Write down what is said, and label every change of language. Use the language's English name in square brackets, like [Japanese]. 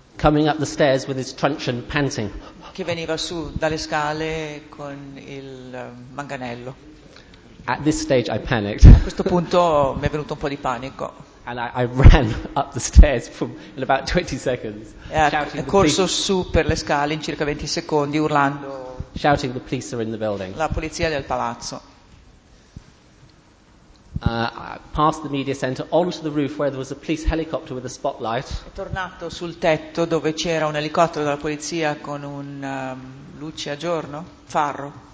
[English] Coming up the stairs with his truncheon panting. [Italian] Che veniva su dalle scale con il manganello. [English] At this stage I panicked. [Italian] A questo punto mi è venuto un po' di panico. [English] And I ran up the stairs in about 20 seconds. [Italian] E corso su per le scale in circa 20 secondi urlando. [English] Shouting the police are in the building. [Italian] La polizia del palazzo. [English] Past the media center onto the roof where there was a police helicopter with a spotlight. [Italian] È tornato sul tetto dove c'era un elicottero della polizia con un luce a giorno, faro.